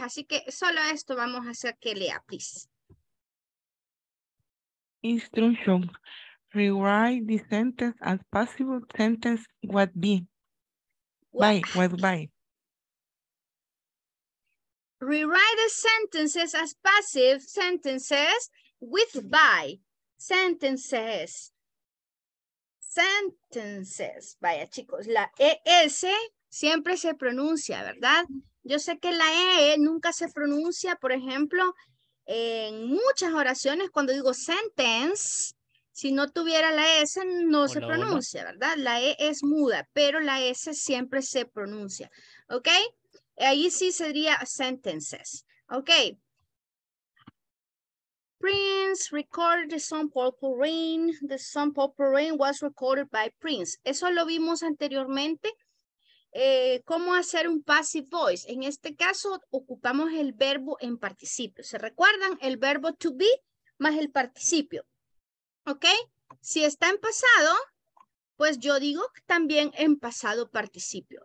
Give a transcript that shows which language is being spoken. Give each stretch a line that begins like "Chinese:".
Spanish: Así que solo esto vamos a hacer que lea, please.
English: Instruction. Rewrite the sentence as possible sentence what be. What? By. rewrite the sentences as passive sentences with by. Sentences. Sentences.
Spanish: Vaya, chicos, la ES siempre se pronuncia, ¿verdad? Yo sé que la E nunca se pronuncia, por ejemplo, en muchas oraciones cuando digo sentence, si no tuviera la S no se pronuncia, ¿verdad? La E es muda, pero la S siempre se pronuncia, ¿ok? Ahí sí sería sentences, ¿ok?
English: Prince recorded the song Purple Rain. The song Purple Rain was recorded by Prince.
Spanish: Eso lo vimos anteriormente. ¿Cómo hacer un passive voice? En este caso, ocupamos el verbo en participio. ¿Se recuerdan? El verbo to be más el participio. ¿Ok? Si está en pasado, pues yo digo también en pasado participio.